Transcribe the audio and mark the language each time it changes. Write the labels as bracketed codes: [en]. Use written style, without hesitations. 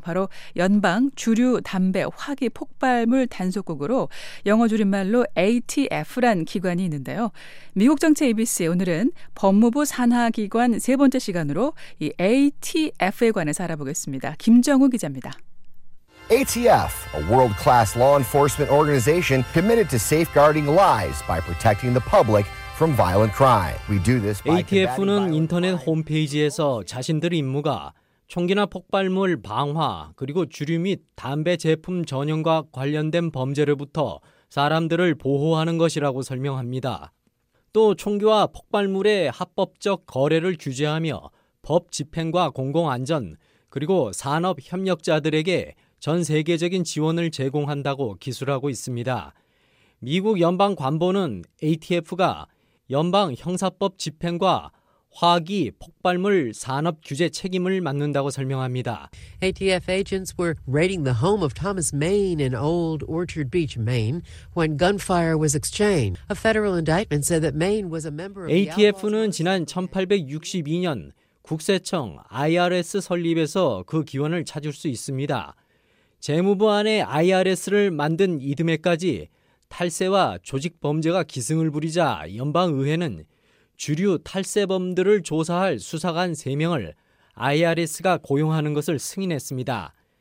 [ko] 바로 연방 주류 담배 화기 폭발물 단속국으로 영어 줄임말로 ATF란 기관이 있는데요. 미국 정치 ABC 오늘은 법무부 산하기관 세 번째 시간으로 이 ATF에 관해서 알아보겠습니다. 김정우 기자입니다. [en] ATF, a world-class law enforcement organization committed to safeguarding lives by protecting the public from violent crime. We do this by [ko] ATF는 인터넷 홈페이지에서 자신들의 임무가 총기나 폭발물 방화 그리고 주류 및 담배 제품 전용과 관련된 범죄로부터 사람들을 보호하는 것이라고 설명합니다. 또 총기와 폭발물의 합법적 거래를 규제하며 법 집행과 공공 안전 그리고 산업 협력자들에게 전 세계적인 지원을 제공한다고 기술하고 있습니다. 미국 연방관보는 ATF가 연방형사법 집행과 화기 폭발물 산업 규제 책임을 맡는다고 설명합니다. [en] ATF agents were raiding the home of Thomas Maine in Old Orchard Beach, Maine, when gunfire was exchanged. A federal indictment said that Maine was a member of [ko] the ATF는 지난 1862년 국세청 IRS 설립에서 그 기원을 찾을 수 있습니다. 재무부 안에 IRS를 만든 이듬해까지 탈세와 조직 범죄가 기승을 부리자 연방의회는 주류 탈세범들을 조사할 수사관 3명을 IRS가 고용하는 것을 승인했습니다.